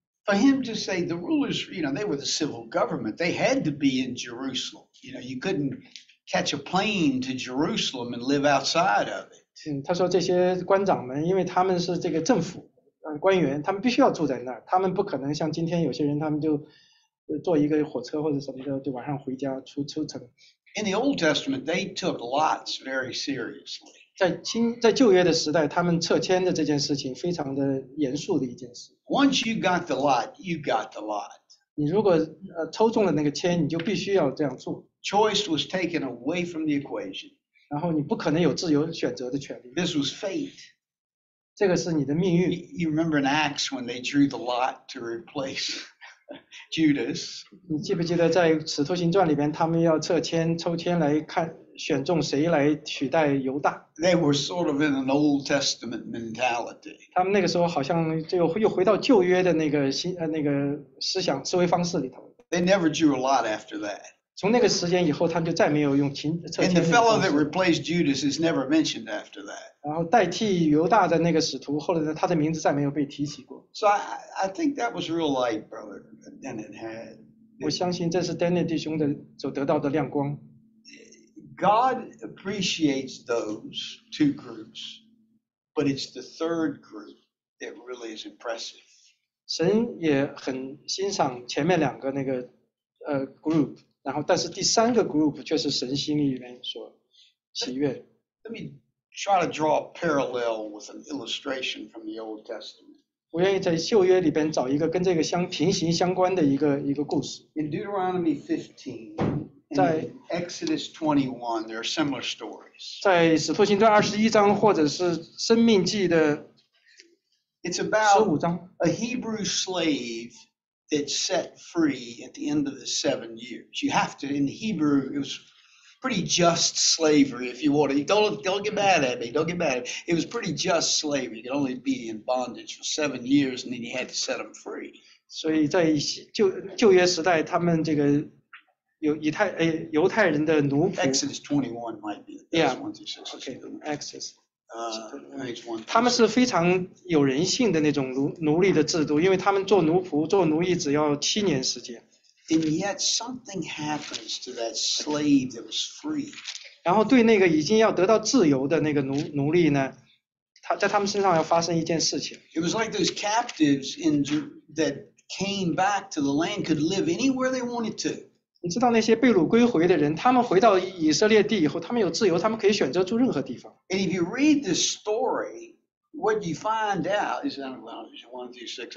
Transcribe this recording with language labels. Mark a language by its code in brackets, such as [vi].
[en] For him to say the rulers, you know, they were the civil government. They had to be in Jerusalem. You know, you couldn't catch a plane to Jerusalem and live outside of it. [zh] 嗯，他说这些官长们，因为他们是这个政府，官员，他们必须要住在那儿，他们不可能像今天有些人，他们就坐一个火车或者什么的，就晚上回家出城。 [en] In the Old Testament, they took lots very seriously. [zh] 在旧约的时代，他们撤迁的这件事情非常的严肃的一件事。 [en] Once you got the lot, you got the lot. [zh] 你如果抽中了那个签，你就必须要这样做。 [en] Choice was taken away from the equation. [zh] 然后你不可能有自由选择的权利。 [en] This was fate. [zh] 这个是你的命运。 [en] You remember in Acts when they drew the lot to replace Judas. [zh] 你记不记得在《使徒行传》里边，他们要撤签、抽签来看选中谁来取代犹大 [en] ？They were sort of in an Old Testament mentality. [zh] 他们那个时候好像就又回到旧约的那个思想思维方式里头。 [en] They never drew a lot after that. [zh] 从那个时间以后，他们就再没有用签撤签。 [en] And the fellow that replaced Judas is never mentioned after that. [zh] 然后代替犹大的那个使徒，后来呢，他的名字再没有被提起过。 [en] So I think that was real light, brother. And it had. [zh] 我相信这是 Daniel 弟兄的所得到的亮光。 [en] God appreciates those two groups, but it's the third group that really is impressive. [zh] 神也很欣赏前面两个那个group， 然后但是第三个 group 却是神心里面所喜悦。 [en] Let me try to draw a parallel with an illustration from the Old Testament. [zh] 我愿意在旧约里边找一个跟这个平行相关的一个故事。 [en] In Deuteronomy 15. [zh] 在 [en] Exodus 21, there are similar stories. [zh] 在《使徒行传》二十一章，或者是《生命记》的十五章 [en] ，It's about a Hebrew slave that's set free at the end of the 7 years. You have to, in Hebrew, it was pretty just slavery if you wanted. Don't get mad at me. Don't get mad at me. It was pretty just slavery. You could only be in bondage for 7 years, and then you had to set them free. [zh] 所以在旧约时代，他们这个犹太人的奴仆。 [en] Exodus 21 might be the best one to show. Yeah. Okay. Exodus. Exodus 1. [zh] 他们是非常有人性的那种奴隶的制度，因为他们做奴仆、做奴役只要七年时间。 [en] And yet something happens to that slave that was free. [zh] 然后对那个已经要得到自由的那个奴隶呢，在他们身上要发生一件事情。 [en] It was like those captives in that came back to the land could live anywhere they wanted to. [zh] 你知道那些被掳归回的人，他们回到以色列地以后，他们有自由，他们可以选择住任何地方。 [en] And if you read this story, what you find out is that, well, it's 1 through 6.